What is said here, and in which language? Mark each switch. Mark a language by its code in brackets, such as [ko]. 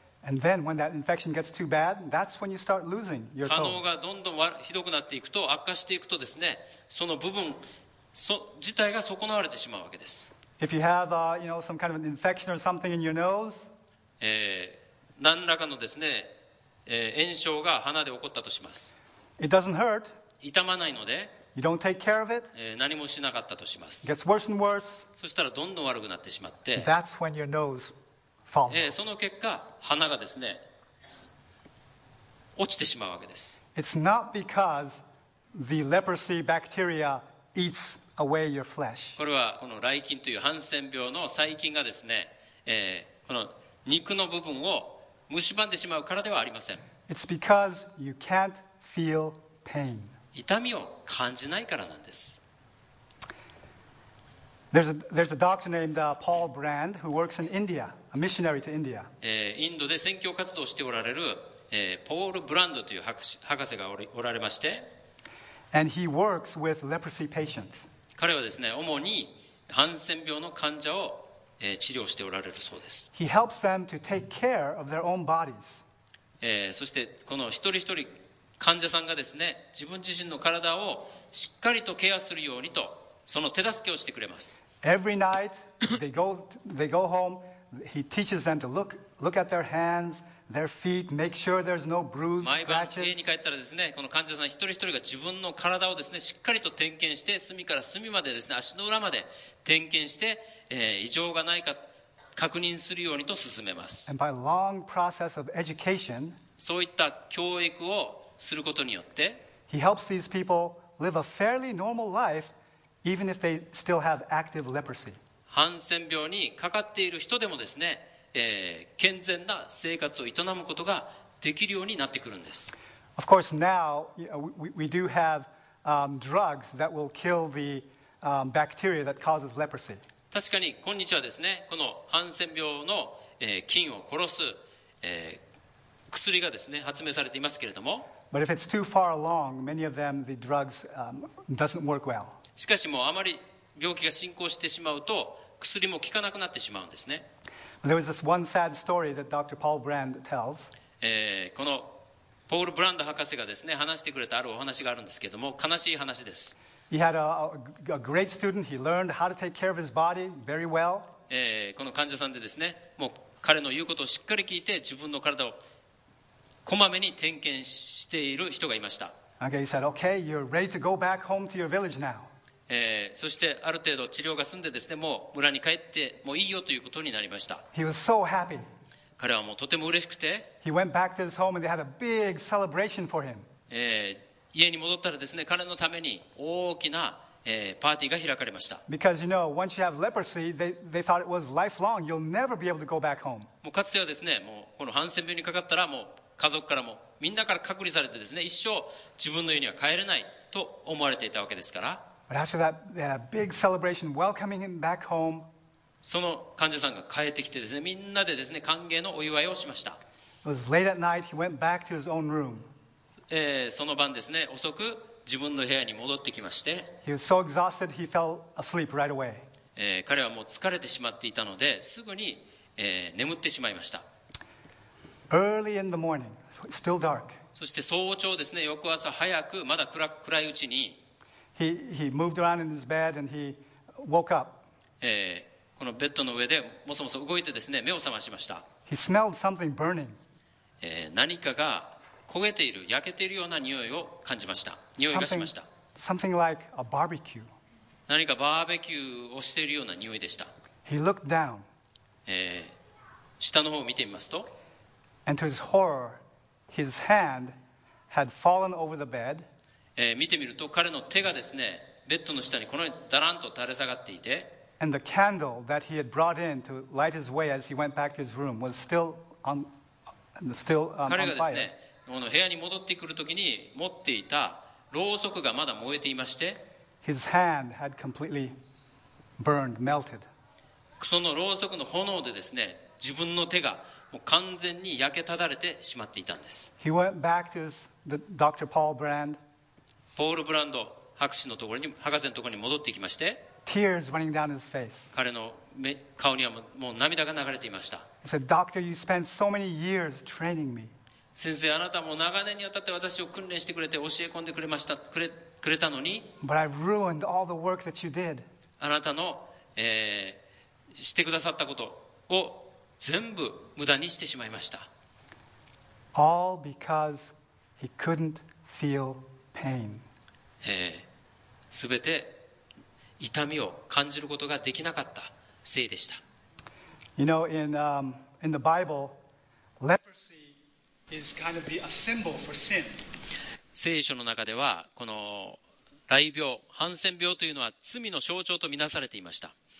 [en] And then when that infection gets too bad, that's when you start losing your toes. [ja] 可能がどんどんひどくなっていくと、悪化していくとですね、その部分自体が損なわれてしまうわけです。 [en] If you have, you know, some kind of an infection or something in your nose, [ja] 何らかのですね、炎症が鼻で起こったとします。 [en] It doesn't hurt. [ja] 痛まないので。 [en] You don't take care of it. [ja] 何もしなかったとします。 [en] Gets worse and worse. [ja] そしたらどんどん悪くなってしまって、 [en] That's when your nose falls. [ja] その結果、鼻がですね、落ちてしまうわけです。 [en] It's not because the leprosy bacteria eats away your flesh. [ja] これはこの雷菌というハンセン病の細菌がですね、この肉の部分を蝕んでしまうからではありません。 [en] It's because you can't feel pain. [ja] 痛みを感じないからなんです。 [en] There's a doctor named Paul Brand who works in India, a missionary to India. [ja] インドで宣教活動をしておられる、ポール・ブランドという博士がおられまして、 [en] And he works with leprosy patients. [ja] 彼はですね、主にハンセン病の患者を、治療しておられるそうです。 [en] He helps them to take care of their own bodies. [ja] そしてこの一人一人患者さんがですね、自分自身の体をしっかりとケアするようにと、その手助けをしてくれます。 [en] Every night they go home, he teaches them to look at their hands, their feet, make sure there's no bruise, scratches. [ja] 毎晩家に帰ったらですね、この患者さん一人一人が自分の体をですね、しっかりと点検して、隅から隅までですね、足の裏まで点検して、異常がないか確認するようにと進めます。 [en] And by long process of education, [ja] そういった教育をすることによって、 [en] He helps these people live a fairly normal life, even if they still have active leprosy. [ja] ハンセン病にかかっている人でもですね、健全な生活を営むことができるようになってくるんです。 [en] Of course, now we do have drugs that will kill the bacteria that causes leprosy. [ja] 確かに今日はですね、このハンセン病の菌を殺す薬がですね、発明されていますけれども。 [en] But if it's too far along, many of them, the drugs doesn't work well. [ja] しかしもうあまり病気が進行してしまうと薬も効かなくなってしまうんですね。 [en] There was this one sad story that Dr. Paul Brand tells. [ja] このポール・ブランド博士がですね、話してくれたあるお話があるんですけれども、悲しい話です。 [en] He had a great student. He learned how to take care of his body very well. [ja] この患者さんでですね、もう彼の言うことをしっかり聞いて自分の体をこまめに点検している人がいました。 [en] Okay, he said, okay, you're ready to go back home to your village now. [ja] そしてある程度治療が済んでですね、もう村に帰ってもういいよということになりました。 [en] He was so happy. [ja] 彼はもうとても嬉しくて。 [en] He went back to his home and they had a big celebration for him. [ja] 家に戻ったらですね、彼のために大きな、パーティーが開かれました。 [en] Because you know, once you have leprosy, they thought it was lifelong. You'll never be able to go back home. [ja] もうかつてはですね、もうこのハンセン病にかかったらもう家族からもみんなから隔離されてですね、一生自分の家には帰れないと思われていたわけですから。 [en] But after that, they had a big celebration welcoming him back home. [ja] その患者さんが帰ってきてですね、みんなでですね、歓迎のお祝いをしました。その晩ですね、遅く自分の部屋に戻ってきまして、彼はもう疲れてしまっていたのですぐに、眠ってしまいました。 [en] Early in the morning, still dark. [ja] そして早朝ですね、翌朝早く、まだ暗いうちに [en] he moved around in his bed and he woke up. [ja] このベッドの上でもそもそ動いてですね、目を覚ましました。 [en] he smelled something burning. [ja] 何かが焦げている、焼けているような匂いを感じました。匂いがしました。 [en] Something like a barbecue. [ja] 何かバーベキューをしているような匂いでした。 [en] He looked down. [ja] 下の方を見てみますと、 [en] And to his horror, his hand had fallen over the bed. [ja] 見てみると彼の手がですね、ベッドの下にこのようにだらんと垂れ下がっていて、 [en] And the candle that he had brought in to light his way as he went back to his room was still on, still on fire. [ja] 彼がですね、この部屋に戻ってくるときに持っていたろうそくがまだ燃えていまして、 [en] His hand had completely burned, melted. [ja] そのろうそくの炎でですね、自分の手がもう完全に焼けただれてしまっていたんです。 [en] He went back to the Dr. Paul Brand. [ja] ポール・ブランド博士のところに、博士のところに戻っていきまして、 [en] Tears running down his face. [ja] 彼の顔にはもう涙が流れていました。 [en] He said, Doctor, you spent so many years training me. [ja] 先生、あなたも長年にわたって私を訓練してくれて教え込んでくれました、くれたのに、 [en] But I've ruined all the work that you did. [ja] あなたの、してくださったことを全部無駄にしてしまいました。 [en] All because he couldn't feel pain. [ja] 全て痛みを感じることができなかったせいでした。 [en] You know, in the Bible, leprosy is kind of a symbol for sin. [ja] 聖書の中ではこの雷病、ハンセン病というのは罪の象徴とみなされていました。